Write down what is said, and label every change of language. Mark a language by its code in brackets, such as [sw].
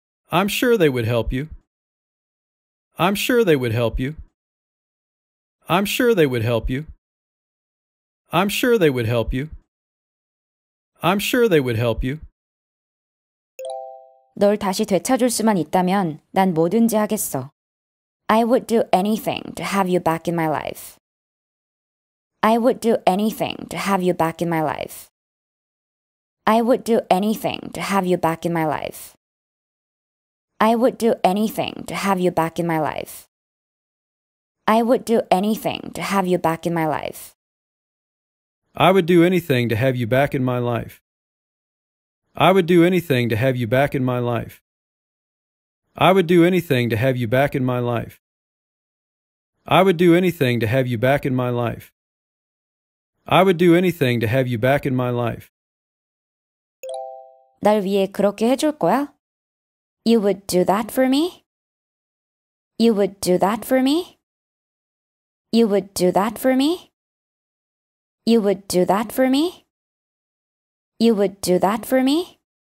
[en] I'm sure they would help you. I'm sure they would help you. I'm sure they would help you. I'm sure they would help you. I'm sure they would help you. [ko] 널 다시 되찾을 수만 있다면 난 뭐든지 하겠어. [en] I would do anything to have you back in my life. I would do anything to have you back in my life. I would do anything to have you back in my life. I would do anything to have you back in my life. I would do anything to have you back in my life. I would do anything to have you back in my life. I would do anything to have you back in my life. I would do anything to have you back in my life. I would do anything to have you back in my life. I would do anything to have you back in my life. [ko] 날 위해 그렇게 해줄 거야? [en] You would do that for me? You would do that for me? You would do that for me? You would do that for me? You would do that for me?